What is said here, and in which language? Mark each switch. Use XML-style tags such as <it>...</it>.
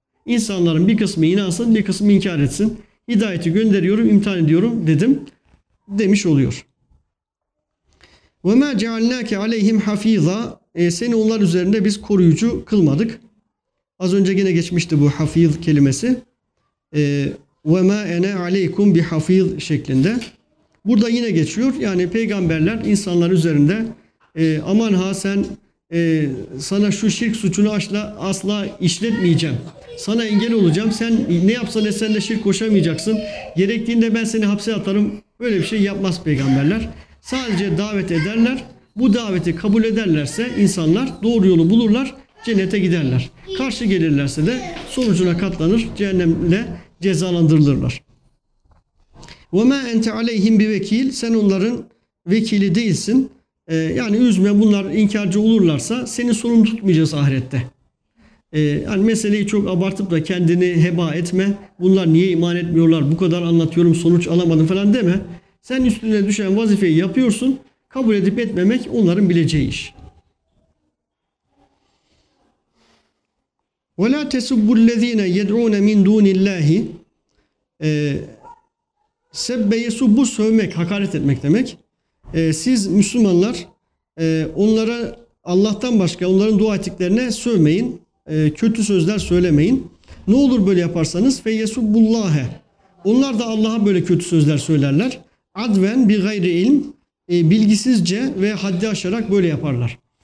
<tr>İnsanların bir kısmı inansın, bir kısmı inkar etsin. Hidayeti gönderiyorum, imtihan ediyorum dedim. Demiş oluyor.</tr> <ar>وَمَا جَعَلْنَاكَ عَلَيْهِمْ حَف۪يظًا</ar> <tr>Seni onlar üzerinde biz koruyucu kılmadık. Az önce yine geçmişti bu hafiz kelimesi.</tr> <ar>وَمَا اَنَا عَلَيْكُمْ بِحَف۪يظ şeklinde.</ar> <tr>Burada yine geçiyor. Yani peygamberler insanlar üzerinde aman ha sen sana şu şirk suçunu asla işletmeyeceğim. Sana engel olacağım. Sen ne yapsan etsen de şirk koşamayacaksın. Gerektiğinde ben seni hapse atarım. Böyle bir şey yapmaz peygamberler. Sadece davet ederler. Bu daveti kabul ederlerse insanlar doğru yolu bulurlar, cennete giderler. Karşı gelirlerse de sonucuna katlanır, cehennemle cezalandırılırlar.</tr> <ar>وَمَا اَنْتَ عَلَيْهِمْ بِوَكِيلٍ</ar> <tr>Sen onların vekili değilsin. Yani üzme, bunlar inkarcı olurlarsa seni sorumlu tutmayacağız ahirette. Yani meseleyi çok abartıp da kendini heba etme. Bunlar niye iman etmiyorlar, bu kadar anlatıyorum sonuç alamadım falan deme. Sen üstüne düşen vazifeyi yapıyorsun. Kabul edip etmemek onların bileceği iş.</tr> <ar>وَلَا تَسُبُّ الَّذ۪ينَ يَدْعُونَ مِنْ دُونِ اللّٰهِ</ar> <tr>Sebbe yesubbu sövmek, hakaret etmek demek. Siz Müslümanlar onlara Allah'tan başka onların dua ettiklerine sövmeyin. Kötü sözler söylemeyin. Ne olur böyle yaparsanız</tr> <ar>فَيَسُبُّ اللّٰهَ</ar> <tr>Onlar da Allah'a böyle kötü sözler söylerler. Adven bir gayri ilm, bilgisizce ve haddi aşarak böyle yaparlar.</tr>